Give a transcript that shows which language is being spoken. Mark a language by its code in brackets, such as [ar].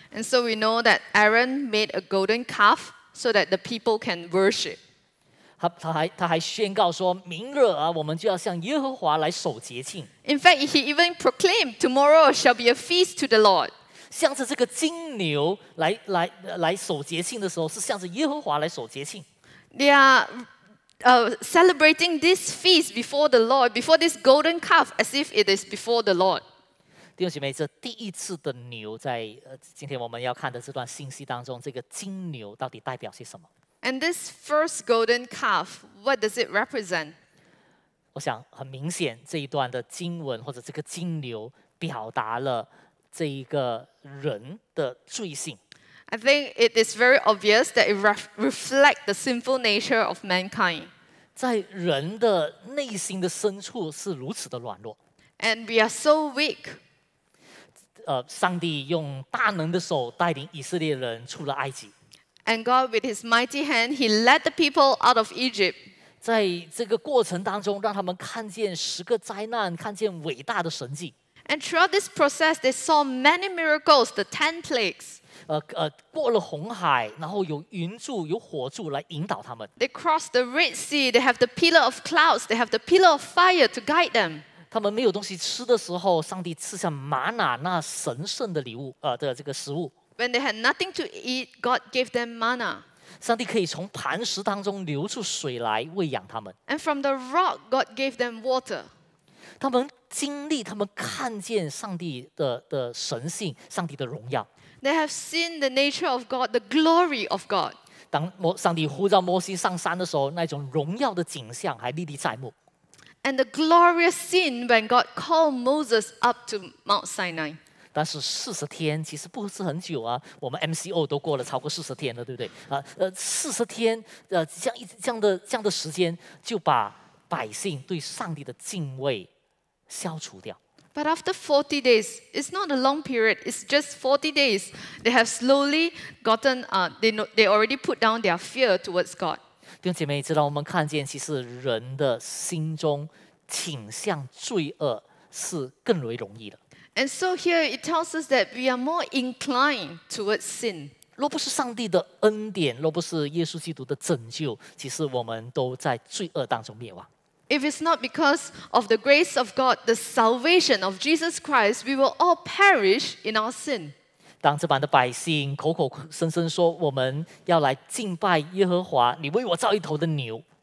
[en] And so we know that Aaron made a golden calf so that the people can worship. [zh] 他还宣告说明日我们就要向耶和华来守节庆。 [en] In fact, he even proclaimed, tomorrow shall be a feast to the Lord. [zh] 向着这个金牛 来守节庆的时候，是向着耶和华来守节庆。 [en] They are celebrating this feast before the Lord, before this golden calf, as if it is before the Lord. [zh] 弟兄姐妹，这第一次的牛在今天我们要看的这段信息当中，这个金牛到底代表些什么 [en] ？And this first golden calf, what does it represent? [zh] 我想很明显，这一段的经文或者这个金牛表达了。这一个人的罪性 [en] I think it is very obvious that it reflects the sinful nature of mankind. [zh] 在人的内心的深处是如此的软弱 [en] And we are so weak. [zh] 上帝用大能的手带领以色列人出了埃及 [en] And God with his mighty hand, he led the people out of Egypt. [zh] 在这个过程当中让他们看见十个灾难看见伟大的神迹 [en] And throughout this process, they saw many miracles, the 10 plagues. [zh] 过了红海，然后有云柱，有火柱来引导他们。 [en] They crossed the Red Sea. They have the pillar of clouds. They have the pillar of fire to guide them. [zh] 他们没有东西吃的时候，上帝赐下玛纳，那神圣的礼物，的这个食物。 [en] When they had nothing to eat, God gave them manna. [zh] 上帝可以从磐石当中流出水来喂养他们。 [en] And from the rock, God gave them water. [zh] 他们经历他们看见上帝 的神性上帝的荣耀 [en] They have seen the nature of God the glory of God [zh] 当上帝呼召摩西上山的时候那种荣耀的景象还历历在目 [en] And the glorious scene when God called Moses up to Mount Sinai [zh] 但是四十天其实不是很久啊我们 MCO 都过了超过四十天了对不对四十天这样的时间就把百姓对上帝的敬畏消除掉。 [en] But after 40 days, it's not a long period, it's just 40 days. They have slowly gotten, they already put down their fear towards God. [zh] 弟兄姐妹，知道我们看见，其实人的心中倾向罪恶是更为容易的。 [en] And so here it tells us that we are more inclined towards sin. [zh] 若不是上帝的恩典，若不是耶稣基督的拯救，其实我们都在罪恶当中灭亡。 [en] If it's not because of the grace of God, the salvation of Jesus Christ, we will all perish in our sin. [zh] 当这般的百姓口口声声说我们要来敬拜耶和华，你为我造一头的牛。